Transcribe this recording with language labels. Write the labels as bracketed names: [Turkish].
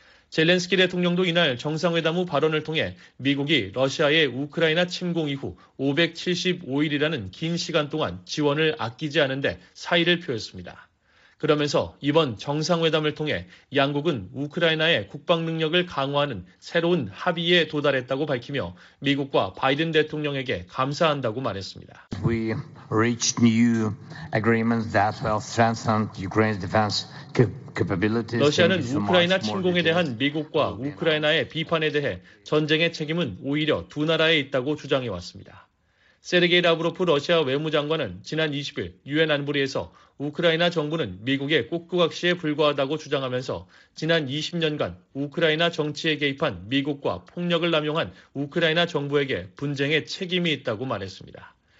[Korean] 젤렌스키 대통령도 이날 정상회담 후 발언을 통해 미국이 러시아의 우크라이나 침공 이후 575일이라는 긴 시간 동안 지원을 아끼지 않은데 사의를 표했습니다. 그러면서 이번 정상회담을 통해 양국은 우크라이나의 국방 능력을 강화하는 새로운 합의에 도달했다고 밝히며 미국과 바이든 대통령에게 감사한다고 말했습니다. [English] We reached new agreements that will strengthen Ukraine's defense capabilities. [Korean] 러시아는 우크라이나 침공에 대한 미국과 우크라이나의 비판에 대해 전쟁의 책임은 오히려 두 나라에 있다고 주장해 왔습니다. 세르게이 라브로프 러시아 외무장관은 지난 20일 유엔 안보리에서 우크라이나 정부는 미국의 꼬꾸각시에 불과하다고 주장하면서 지난 20년간 우크라이나 정치에 개입한 미국과 폭력을 남용한 우크라이나 정부에게 분쟁의 책임이 있다고 말했습니다.